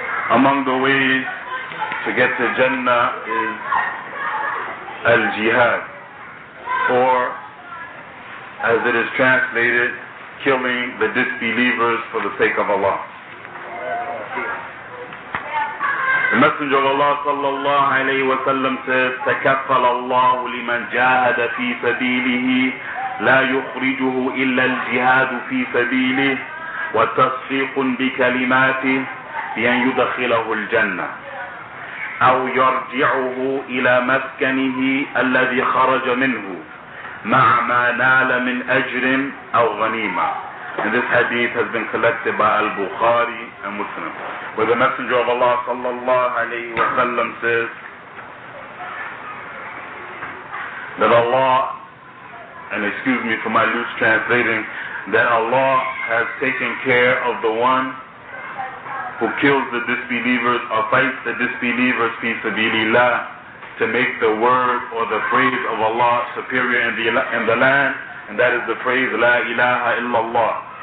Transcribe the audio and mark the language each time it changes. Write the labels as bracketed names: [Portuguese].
[English] Among the ways to get to Jannah is Al-Jihad, or as it is translated, killing the disbelievers for the sake of Allah. The Messenger of Allah sallallahu alayhi wa sallam says, [Arabic] تَكَفَّلَ اللَّهُ لِمَنْ جَاهَدَ فِي سَبِيلِهِ لَا يُخْرِجُهُ إِلَّا الْجِهَادُ فِي سَبِيلِهِ وَتَصْفِيقٌ بِكَلِمَاتِهِ بِأَنْ يُدَخِلَهُ الْجَنَّةِ أَوْ يَرْجِعُهُ إِلَى مَسْكَنِهِ الَّذِي خَرَجَ مِنْهُ مَعْ مَا نَالَ مِنْ أَجْرٍ أَوْ غَنِيمًا. [English] And this hadith has been collected by Al-Bukhari and Muslim. Where the Messenger of Allah sallallahu alayhi wa sallam says that Allah, and excuse me for my loose translating, that Allah has taken care of the one who kills the disbelievers or fights the disbelievers fi sabilillah to make the word or the phrase of Allah superior in the land, and that is the phrase La ilaha illallah.